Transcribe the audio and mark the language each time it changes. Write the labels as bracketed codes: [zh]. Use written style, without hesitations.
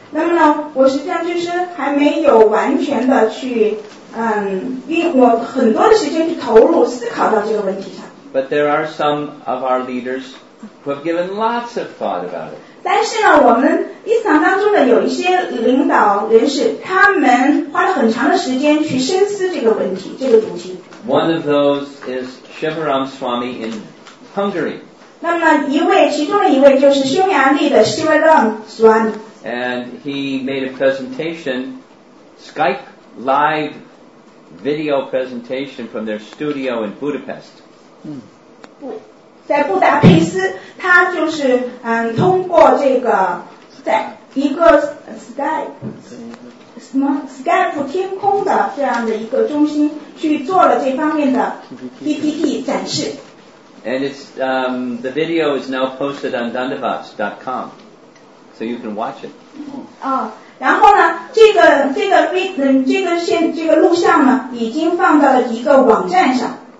[zh] 那么呢，我实际上就是还没有完全的去用我很多的时间去投入思考到这个问题上。 [en] But there are some of our leaders who have given lots of thought about it. [zh] 但是呢，我们伊斯坦当中的有一些领导人士，他们花了很长的时间去深思这个问题，这个主题。 [en] One of those is Shivaram Swami in Hungary. [zh] 那么呢，其中的一位就是匈牙利的 Shivaram Swami. [en] And he made a presentation, Skype live video presentation from their studio in Budapest. [zh] 在布达佩斯，他就是通过这个在一个 Skype 天空的这样的一个中心去做了这方面的 PPT 展示。 [en] And it's the video is now posted on dandavats.com, so you can watch it. [zh] 然后呢，这个录像呢，已经放到了一个网站上。